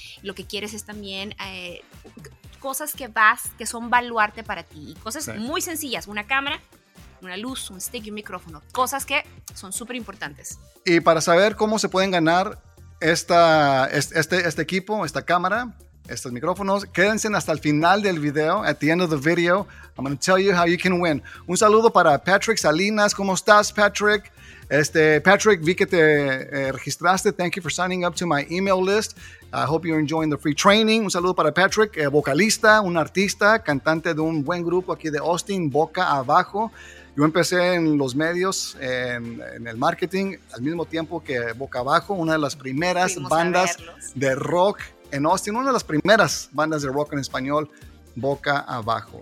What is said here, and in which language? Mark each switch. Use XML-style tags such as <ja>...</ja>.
<es>Lo que quieres es también cosas que son baluarte para ti. Y cosas muy sencillas, una cámara. Una luz, un stick y un micrófono. Cosas que son súper importantes. Y para saber cómo se pueden ganar este equipo, esta cámara, estos micrófonos, quédense hasta el final del video.</es> <en>At the end of the video, I'm going to tell you how you can win.</en> <es>Un saludo para Patrick Salinas. ¿Cómo estás, Patrick? Patrick, vi que te registraste.</es> <en>Thank you for signing up to my email list. I hope you're enjoying the free training.</en> <es>Un saludo para Patrick, vocalista, un artista, cantante de un buen grupo aquí de Austin, Boca Abajo. Yo empecé en los medios, en el marketing, al mismo tiempo que Boca Abajo, una de las primeras bandas de rock en Austin, una de las primeras bandas de rock en español, Boca Abajo.</es>